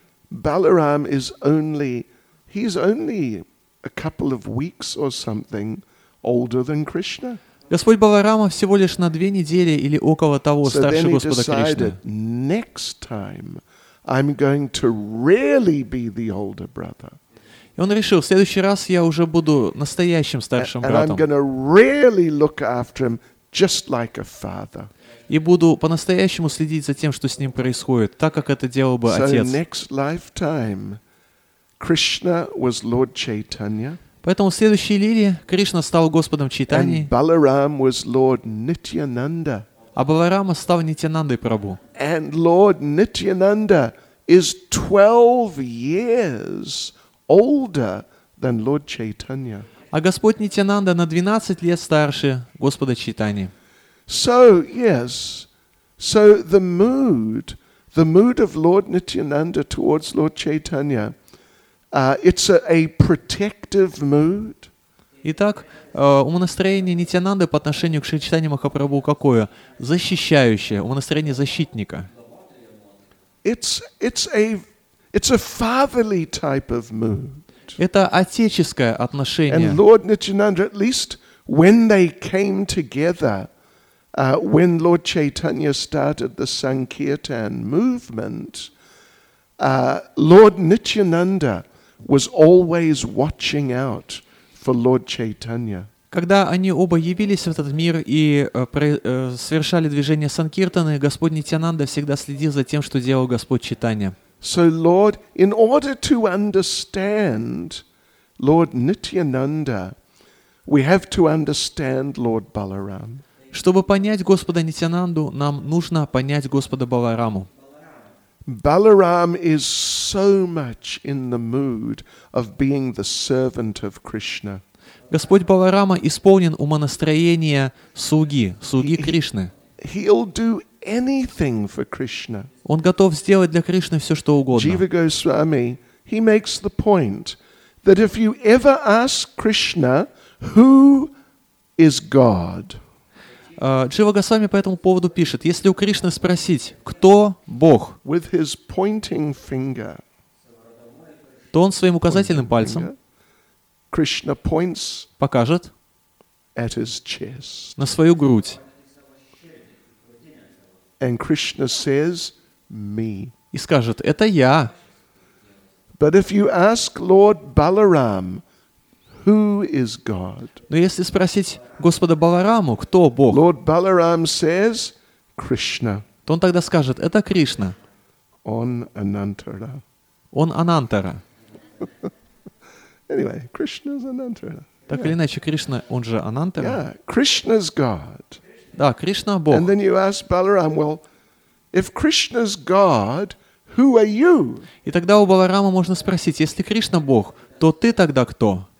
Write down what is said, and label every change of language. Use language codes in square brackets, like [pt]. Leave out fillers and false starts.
[en] Balaram is only, he's only a couple of weeks or something older than Krishna. [ru] Господь Баларама всего лишь на две недели или около того старше Господа Кришны. [en] Next time I'm going to really be the older brother. [ru] И он решил, в следующий раз я уже буду настоящим старшим братом. [en] And I'm going to really look after him. Just like a father. [ru] И буду по-настоящему следить за тем, что с ним происходит, так как это делал бы отец. [en] So next lifetime, Krishna was Lord Chaitanya. [ru] Поэтому в следующей лиле Кришна стал Господом Чайтаньи. [en] And Balaram was Lord Nityananda. [ru] А Баларама стал Нитьянандой Прабу. [en] And Lord Nityananda is 12 years older than Lord Chaitanya. [ru] А Господь Нитьянанда на 12 лет старше Господа Чайтаньи. [en] So, yes. So the mood of Lord Nityananda towards Lord Chaitanya, it's a protective mood. [ru] Итак, умонастроение Нитьянанды по отношению к Шри Чайтанье Махапрабху какое? Защищающее, умонастроение защитника. [en] It's a fatherly type of mood. [ru] Это отеческое отношение. [en] And Lord Nityananda, at least when they came together, when Lord Chaitanya started the Sankirtan movement, Lord Nityananda was always watching out for Lord Chaitanya. [ru] Когда они оба явились в этот мир и совершали движение санкиртаны, Господь Нитьянанда всегда следил за тем, что делал Господь Чайтанья. [en] So Lord, in order to understand Lord Nityananda, we have to understand Lord Balaram. [ru] Чтобы понять Господа Нитьянанду, нам нужно понять Господа Балараму. [en] Balaram is so much in the mood of being the servant of Krishna. [ru] Господь Баларама исполнен умонастроения слуги, слуги Кришны. [en] He'll do anything for Krishna. [ru] Он готов сделать для Кришны все, что угодно. [en] Jiva Goswami, he makes the point that if you ever ask Krishna, who is God? [ru] Джива Госвами по этому поводу пишет, если у Кришны спросить, кто Бог, [en] with his pointing finger, [ru] то он своим указательным пальцем [en] Krishna points [ru] покажет [en] at his chest. [ru] На свою грудь. [en] And Krishna says, me. [ru] И скажет, это я. [en] But if you ask Lord Balaram, who is God? [ru] Но если спросить Господа Балараму, кто Бог? [en] Lord Balaram says, Krishna. [ru] То он тогда скажет, это Кришна. [en] On Anantara. [ru] Он Анантара. [en] Anyway, Krishna's Anantara. [ru] Так или иначе, Кришна, он же Анантара. [en] Yeah, Krishna's God. [ru] Да, Кришна Бог. [en] And then you ask Balaram, well, if Krishna's God, who are you? [ru] И тогда у Баларама можно спросить, если Кришна Бог, то ты тогда кто?